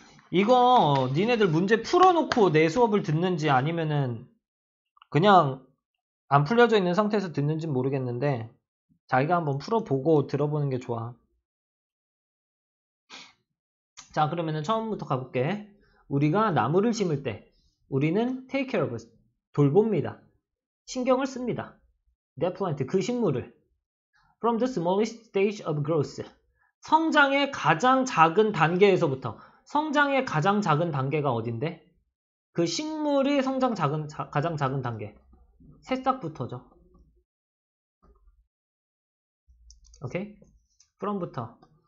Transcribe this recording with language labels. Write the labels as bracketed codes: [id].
[ko] 이거 니네들 문제 풀어놓고 내 수업을 듣는지 아니면은 그냥 안 풀려져 있는 상태에서 듣는지 모르겠는데 자기가 한번 풀어보고 들어보는 게 좋아. 자, 그러면은 처음부터 가볼게. 우리가 나무를 심을 때 우리는 [en] take care of, [ko] 돌봅니다. 신경을 씁니다. [en] That plant, [ko] 그 식물을. [en] From the smallest stage of growth. [ko] 성장의 가장 작은 단계에서부터. 성장의 가장 작은 단계가 어딘데? 그 식물이 성장 가장 작은 단계. 새싹부터죠. 오케이? From부터.